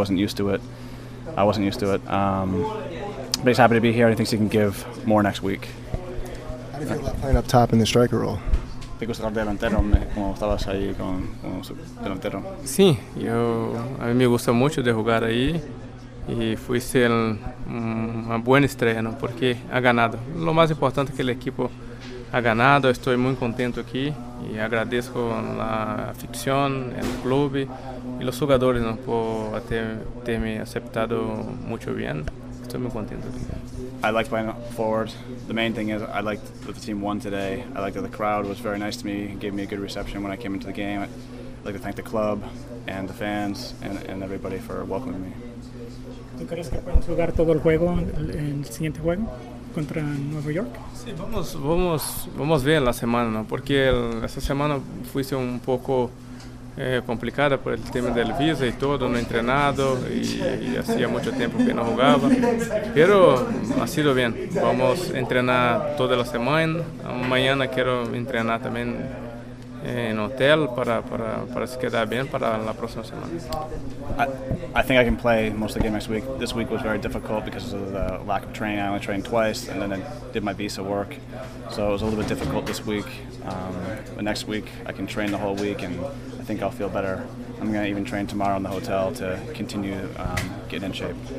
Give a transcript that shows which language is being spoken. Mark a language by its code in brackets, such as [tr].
[en] I wasn't used to it. But he's happy to be here. He thinks he can give more next week. How do you feel about playing up top in the striker role? [es] ¿Te gusta estar delantero, como estabas ahí con su delantero? Sí, a mí me gusta mucho de jugar ahí y fui ser una buena estrella, ¿no? Porque ha ganado. Lo más importante es que el equipo ha ganado. Estoy muy contento aquí y agradezco la afición, el club y los jugadores, ¿no? Por haberme aceptado mucho bien. Estoy muy contento. [en] I like playing forward. The main thing is I liked that the team won today. I liked that the crowd was very nice to me, gave me a good reception when I came into the game. I'd like to thank the club and the fans and everybody for welcoming me. [es] ¿Tú crees que pueden jugar todo el juego en el siguiente juego contra Nueva York? Sí, vamos a ver la semana, ¿no? Porque esta semana fuiste un poco complicada por el tema del visa y todo, no entrenado y hacía mucho tiempo que no jugaba, pero ha sido bien. Vamos a entrenar toda la semana. Mañana quiero entrenar también en hotel para quedar bien para la próxima semana. [en] I think I can play most of the game next week. This week was very difficult because of the lack of training. I only trained twice and then I did my visa work, so it was a little bit difficult this week. But next week I can train the whole week and I think I'll feel better. I'm going to even train tomorrow in the hotel to continue getting in shape.